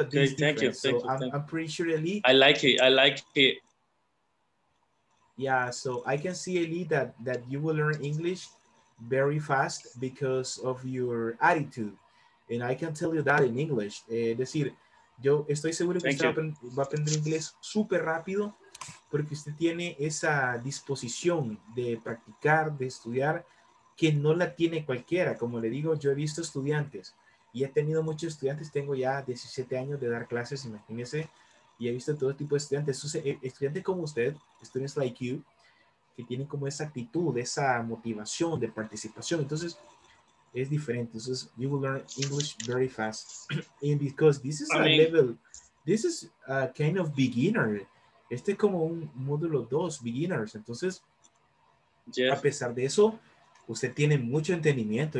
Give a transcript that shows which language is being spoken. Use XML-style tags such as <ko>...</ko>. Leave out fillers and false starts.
<en>okay, a difference. Thank you. So thank I'm pretty sure, Eli. I like it. Yeah, so I can see, Eli, that you will learn English very fast because of your attitude. And I can tell you that in English.</en> <es>Decir, yo estoy seguro</es> <en>Thank</en> <es>que usted va a aprender inglés súper rápido porque usted tiene esa disposición de practicar, de estudiar, que no la tiene cualquiera. Como le digo, yo he visto estudiantes y he tenido muchos estudiantes. Tengo ya 17 años de dar clases, imagínese. Y he visto todo tipo de estudiantes. Estudiantes como usted,</es> <en>students like you,</en> <es>que tienen como esa actitud, esa motivación de participación. Entonces, es diferente. Entonces,</es> <en>you will learn English very fast. And because this is level, this is a kind of beginner.</en> <es>Este es como un módulo 2, beginners. Entonces,</es> <en>yes.</en> <es>A pesar de eso, usted tiene mucho entendimiento.</es>